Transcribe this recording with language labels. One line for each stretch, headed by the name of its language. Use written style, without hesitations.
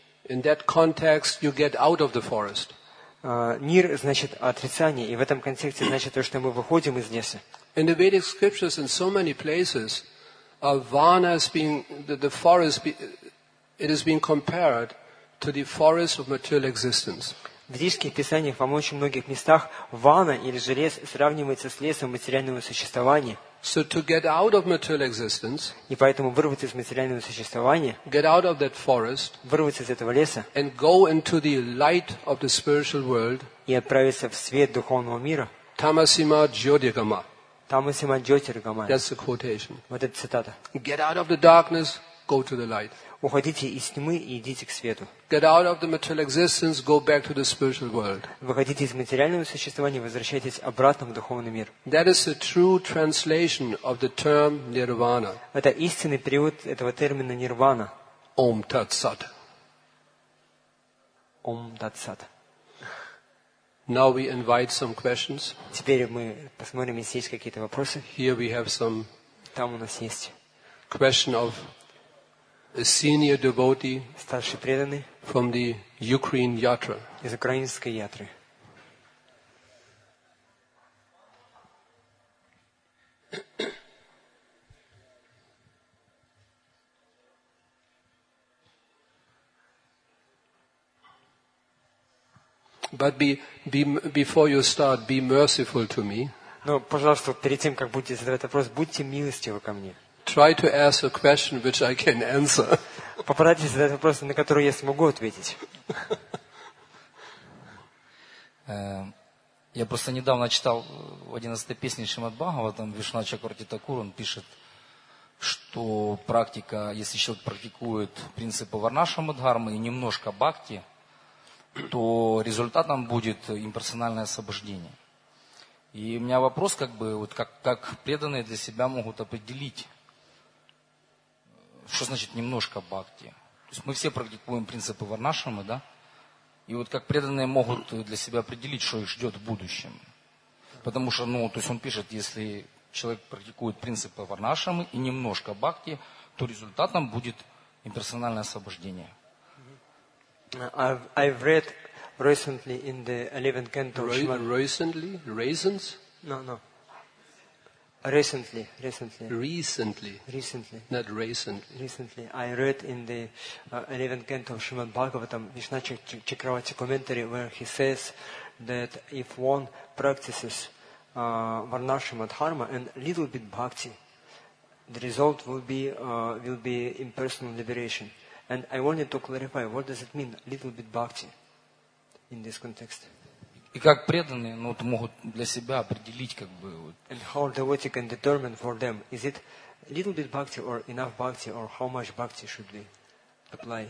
English: In that context, you get out of the forest.
Russian: Nir значит отрицание, и в этом контексте значит то, что мы выходим из леса.
English: In the Vedic scriptures, in so many places, vana is being the forest. It is being compared to the forest of material existence.
Russian: В ведических писаниях во очень многих местах вана или же лес сравнивается с лесом материального существования.
English: So to get out of material existence,
Russian: и поэтому вырваться из материального существования,
English: get out of that forest,
Russian: вырваться из этого леса,
English: and go into the light of the spiritual world,
Russian: и отправиться в свет духовного мира,
Sanskrit: tamasima jyotirgama, tamasima jyotirgama,
English: that's the quotation,
Russian: вот эта цитата,
English: get out of the darkness, go to the light,
Russian: уходите из тьмы и идите к свету,
English: get out of the material existence, go back to the spiritual world.
Russian: Выходите из материального существования, возвращайтесь обратно в духовный мир.
English: That is the true translation of the term nirvana.
Russian: Это истинный перевод этого термина нирвана.
Sanskrit: Ом тат сат. Ом тат сат.
English: Now we invite some questions.
Russian: Теперь мы посмотрим, если есть какие-то вопросы.
English: Here we have some.
Russian: Там у нас есть.
English: Question of a senior devotee,
Russian: старший преданный,
English: from the Ukraine Yatra,
Russian: из украинской ятры.
English: But before you start, be merciful to me.
Russian: Но, пожалуйста, перед тем, как будете задавать вопрос, будьте милостивы ко мне.
English: Try to ask a question which I can answer.
Russian: Попытайтесь задать вопрос, на который я смогу ответить. Я просто недавно читал 11-й песни Шримад Бхагаватам, Вишна Чакурти Такур, он пишет, что практика, если человек практикует принципы Варнашрама Дхармы и немножко бхакти, то результатом будет имперсональное освобождение. И у меня вопрос, как бы, вот как преданные для себя могут определить, что значит немножко бхакти? То есть мы все практикуем принципы варнашрамы, да? И вот как преданные могут для себя определить, что их ждет в будущем. Потому что, ну, то есть он пишет, если человек практикует принципы варнашрамы и немножко бхакти, то результатом будет имперсональное освобождение.
English: I've read recently in the 11th canto of Shrimad. Recently? Raisins? No. Recently. Recently. Not recently. Recently. I read in the 11th canto of Shrimad Bhagavatam, Vishna Chakravarti commentary, where he says that if one practices Varnashrama Dharma and little bit bhakti, the result will be impersonal liberation. And I wanted to clarify, what does it mean, little bit bhakti, in this context?
Russian: И как преданные, ну, вот, могут для себя определить, как бы, вот.
English: And how the devotee can determine for them, is it little bit bhakti or enough bhakti, or how much bhakti should we apply?